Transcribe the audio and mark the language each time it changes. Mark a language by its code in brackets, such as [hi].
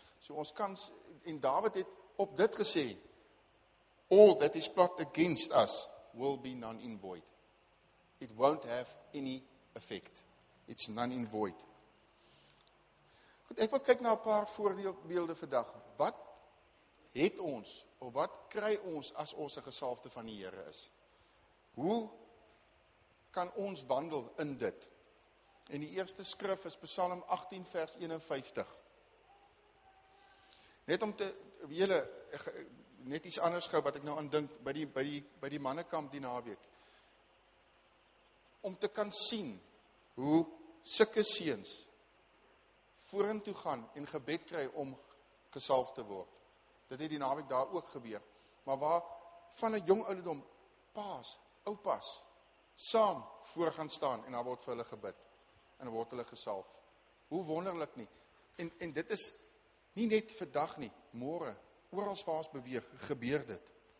[af] So ons kan, en David het op dit gesê, [en] all that is plot against us, will be none in void. It won't have any effect. It's none in void. [af] Goed, ek wil kyk na 'n paar voorbeelde vandag. Wat het ons, of wat kry ons, as ons 'n gesalfde van die Here is? Hoe kan ons wandel in dit? En die eerste skrif is Psalm 18 vers 51. Net om te, julle, net iets anders gou, wat ek nou aan dink, by die mannekamp die naweek, om te kan sien, hoe sulke seuns vorentoe gaan en gebed kry om gesalf te word. Dit het die naweek daar ook gebeur. Maar waar van 'n jong ouderdom, paas, oupas, saam voor gaan staan en daar word vir hulle gebid en word hulle gesalf. Hoe wonderlik nie. En dit is nie net vandag nie, môre, oral waar ons beweeg, gebeur dit.